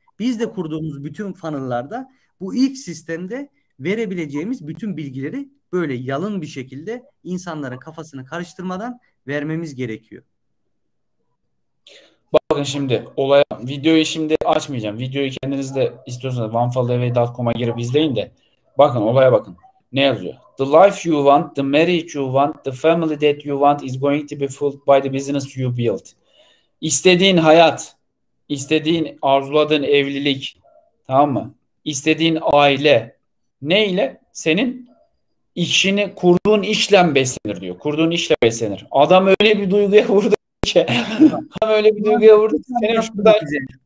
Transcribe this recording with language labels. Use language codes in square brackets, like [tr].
[tr] Biz de kurduğumuz bütün funnel'larda bu ilk sistemde verebileceğimiz bütün bilgileri böyle yalın bir şekilde insanların kafasını karıştırmadan vermemiz gerekiyor. Bakın şimdi olaya, videoyu şimdi açmayacağım. Videoyu kendiniz de istiyorsanız onefollowway.com'a girip izleyin de. Bakın olaya bakın. Ne yazıyor? [en] The life you want, the marriage you want, the family that you want is going to be filled by the business you build. [tr] İstediğin hayat, istediğin, arzuladığın evlilik, tamam mı? İstediğin aile neyle? Senin işini kurduğun işle beslenir diyor. Kurduğun işle beslenir. Adam öyle bir duyguya vurdu ki. Adam öyle bir duyguya vurdu ki.